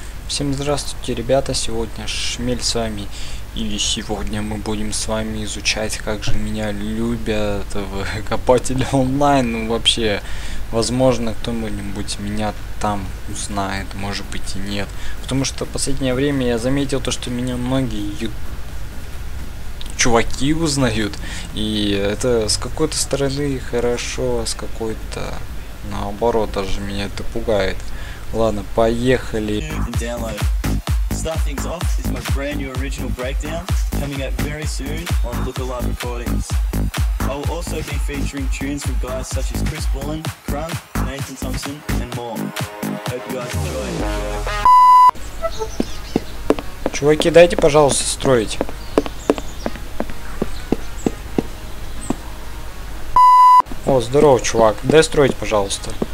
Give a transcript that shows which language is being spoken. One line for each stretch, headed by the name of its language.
Russian: Всем здравствуйте, ребята, сегодня Шмель с вами, и сегодня мы будем с вами изучать, как же меня любят копатели онлайн, ну вообще, возможно, кто-нибудь меня там узнает, может быть и нет, потому что в последнее время я заметил то, что меня многие чуваки узнают, и это с какой-то стороны хорошо, а с какой-то наоборот, даже меня это пугает. Ладно, поехали.
English: Start things off, this is my brand new original breakdown, coming out very soon on Lookalive Recordings. I will also be featuring tunes from guys such as Chris Bullen, Crunk, Nathan Thompson, and more. Hope you guys enjoy.
Russian: Чуваки, дайте, пожалуйста, строить. О, здорово, чувак. Дай строить, пожалуйста.